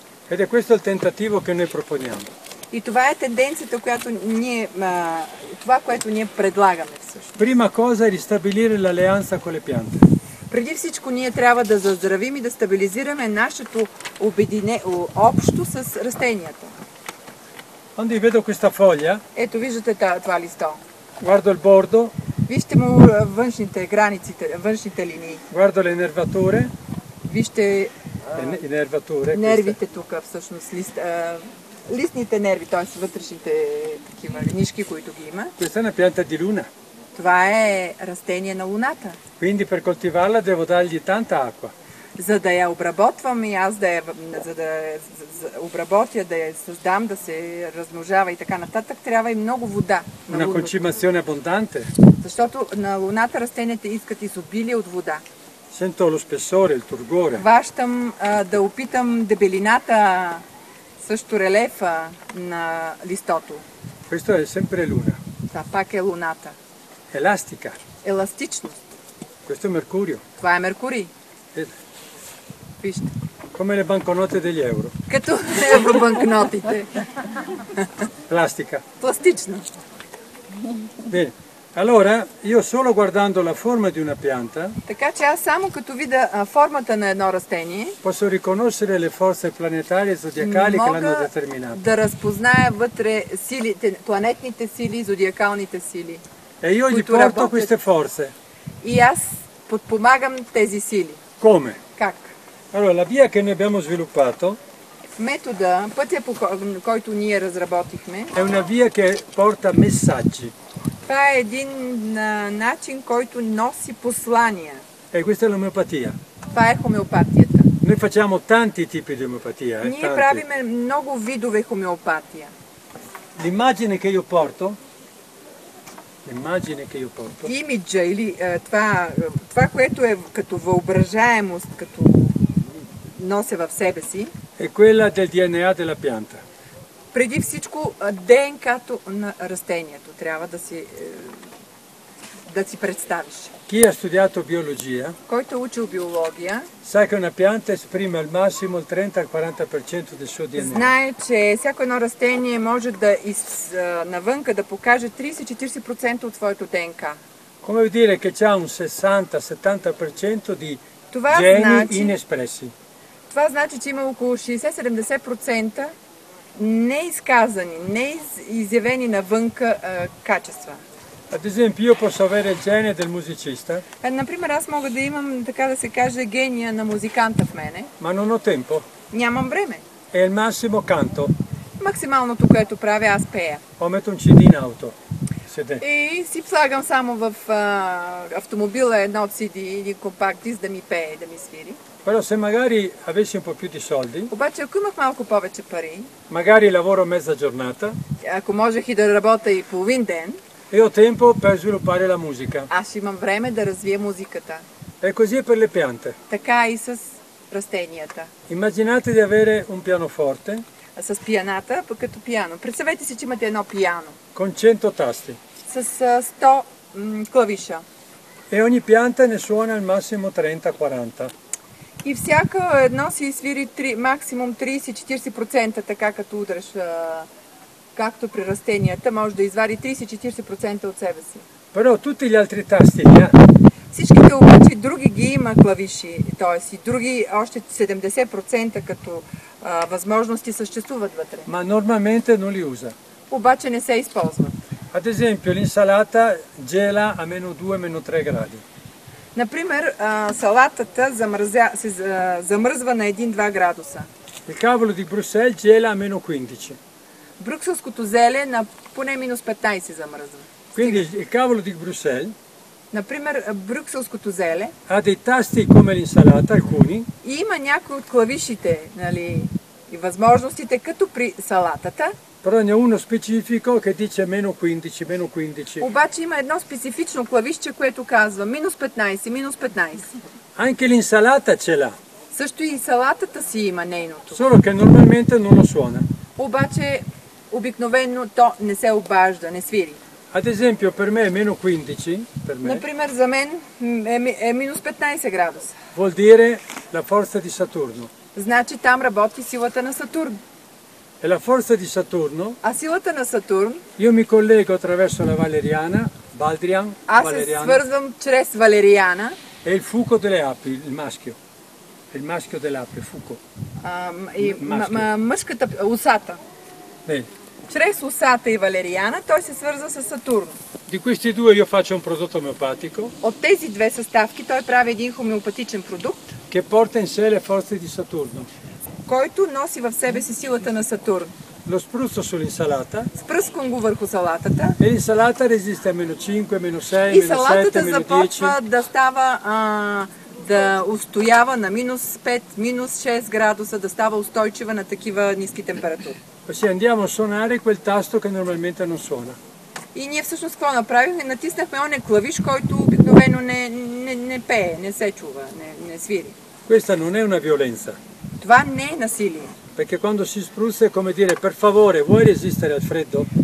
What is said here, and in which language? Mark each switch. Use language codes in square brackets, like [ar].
[it] Ed è questo il tentativo che noi proponiamo. [bg] И това е тенденцията, която ние, това, което ние предлагаме всъщност. [it] Prima cosa è ristabilire l'alleanza con le piante. [bg] Преди всичко ние трябва да заздравим и да стабилизираме нашето общо с растенията. [it] Onde vedo questa foglia? [bg] Ето виждате това листо. [it] Guardo il bordo. [bg] Вижте му външните граници, външните линии. [it] Guardo le nervature. [bg] Вижте нервите [it] queste. [bg] Тук всъщност листните нерви, т.е. вътрешните такива линишки, които ги има. [it] Questa è una pianta di luna. [bg] Това е растение на луната. [it] Quindi per coltivarla devo dargli tanta acqua. [bg] За да я обработвам и аз да я, за да я обработя, да я създам, да се размножава и така нататък, трябва и много вода. [it] Una concimazione abbondante. [bg] Защото на луната растенията искат изобилие от вода. [it] Sento lo spessore, il turgore. [bg] Ващам да опитам дебелината, също релефа на листото. [it] Questo è sempre luna. [bg] Та пак е луната. [it] Elastica. [bg] Еластичност. [it] Questo è mercurio. [bg] Това е меркурий. Вижте. [it] Come le banconote degli euro. [bg] Като евробанкнотите. Пластика. Пластична. [it] Bene. Allora, io solo guardando la forma di una pianta, [bg] така че аз само като видя формата на едно растение, [it] posso riconoscere le forze planetarie zodiacali che l'hanno determinato. [bg] Да разпозная вътре силите, планетните сили, зодиакалните сили. [it] E io gli porto queste forze. [bg] И аз подпомагам тези сили. [it] Come? [bg] Как? [it] Allora, la via che noi abbiamo sviluppato, [bg] метода, пътя по който ние разработихме, [it] è una via che porta messaggi. [bg] Това е един начин, който носи послания. [it] E questa è l'omeopatia. [bg] Това е хомеопатията. [it] Noi facciamo tanti tipi di omeopatia, [bg] ние правиме много видове хомеопатия. [it] L'immagine che io porto, l'immagine che io porto. [bg] Имиджа или това, което е като въображаемост, като носе в себе си. [it] È quella del DNA della pianta. [bg] Преди всичко ДНК-то на растението трябва да си, представиш. [it] Chi ha studiato biologia? [bg] Който е учил биология? [it] Sa che una pianta esprime al massimo il 30-40% del suo DNA. [bg] Знае, че всяко едно растение може да навънка да покаже 30-40% от своето ДНК. [it] Come vuol dire che c'ha un 60-70% di geni inespressi. [bg] Това значи, че има около 60-70% неизказани, неизявени навънка качества. [it] Ad esempio, io posso avere il gene del musicista. [bg] Например, аз мога да имам, така да се каже, гения на музиканта в мене. [it] Ma non ho tempo. [bg] Нямам време. [it] E il massimo canto. [bg] Максималното, което правя, аз пея. [it] O metto un CD in auto. Седе. [bg] И си слагам само в автомобила едно CD или компакт диск да ми пее, да ми свири. [it] Però se magari avessi un po' più di soldi. [bg] Обаче ако имах малко повече пари. [it] Magari lavoro mezza giornata. [bg] Ако можех да работя и половин ден. [it] E ho tempo per sviluppare la musica. [bg] Аз имам време да развия музиката. [it] E così è per le piante. [bg] Така и с растенията. [it] Immaginate di avere un pianoforte. [bg] С пианата, като пиано. Представете си, че имате едно пиано. [it] Con 100 tasti. [bg] С 100 клавиша. [it] E ogni pianta ne suona al massimo 30-40. [bg] И всяко едно си свири максимум 30-40%, така като удреш, както при растенията, може да извади 30-40% от себе си. [it] Però tutti gli altri tasti li ha. [bg] Всичките обаче други ги има клавиши, т.е. и други още 70% като възможности съществуват вътре. [it] Ма нормалмента нули уза. [bg] Обаче не се използва. [it] Ad esempio, l'insalata gela a meno 2, meno 3 gradi. [bg] Например, салатата се замръзва на 1-2 градуса. [it] Il cavolo di Bruxelles gela a meno 15. [bg] Брюкселското зеле на поне минус 15 замръзва. [it] Quindi il cavolo di Bruxelles. [bg] Например, брюкселското зеле. [it] Ha dei tasti come l'insalata, alcuni. [bg] И има някои от клавишите, нали, и възможностите, като при салатата. [it] Però ne uno specifico che dice meno 15, meno 15. [bg] Обаче има едно специфично клавишче, което казва минус 15, минус 15. [it] Anche l'insalata ce l'ha. [bg] Също и салатата си има нейното. [it] Solo che normalmente non lo suona. [bg] Обаче обикновено то не се обажда, не свири. [it] Ad esempio per me è meno 15, per me. [bg] Например, за мен е минус 15 градуса. [it] Vuol dire la forza di Saturno. [bg] Значи там работи силата на Сатурн. [it] E la forza di Saturno? [bg] А силата на Сатурн? [it] Io mi collego attraverso la Valeriana, Baldrian, Valeriana. [bg] Аз се свързвам чрез Валериана. [it] E il fuco delle api, il maschio. Il maschio dell'api, fuco. [bg] Мъжката усата. [it] Bene. [bg] Чрез усата и Валериана той се свързва с Сатурн. [it] Di questi due io faccio un prodotto omeopatico. [bg] От тези две съставки той прави един хомеопатичен продукт. [it] Che porta in sé le forze di Saturno. [bg] Който носи в себе си силата на Сатурн. [it] Lo spruzzo sull'insalata. [bg] Спръскам го върху салатата. [it] E l'insalata resiste a meno 5, meno 6, meno 7, meno 10. [bg] И салатата започва да става, да устоява на минус 5, минус 6 градуса, да става устойчива на такива ниски температури. [it] Così andiamo a suonare quel tasto che normalmente non suona. [bg] И ние всъщност какво направихме? Натиснахме оне клавиш, който обикновено не пее, не се чува, не свири. [it] Questa non è una violenza. [bg] Това не е насилие. [it] Perché quando si spruzza è come dire per favore, vuoi resistere al freddo?